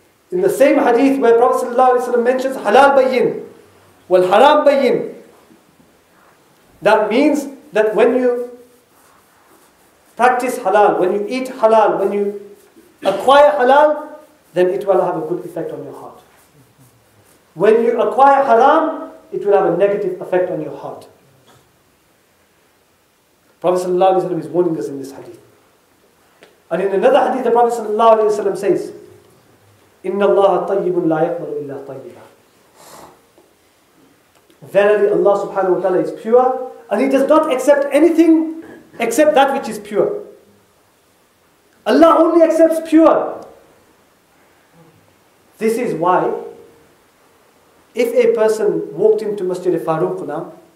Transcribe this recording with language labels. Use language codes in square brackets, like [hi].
[en] In the same hadith where Prophet sallallahu alaihi wasallam mentions [ar] halal bayyin, wal haram bayyin, [en] that means that when you practice halal, when you eat halal, when you acquire halal, then it will have a good effect on your heart. When you acquire haram, it will have a negative effect on your heart. The Prophet ﷺ is warning us in this hadith. And in another hadith, the Prophet ﷺ says, [ar] إِنَّ اللَّهَ طَيِّبٌ لَا يَقْبَلُ إِلَّا طَيِّبًا. [en] Verily, Allah subhanahu wa ta'ala is pure, and He does not accept anything except that which is pure. Allah only accepts pure. This is why, if a person walked into Masjid al Farouq now,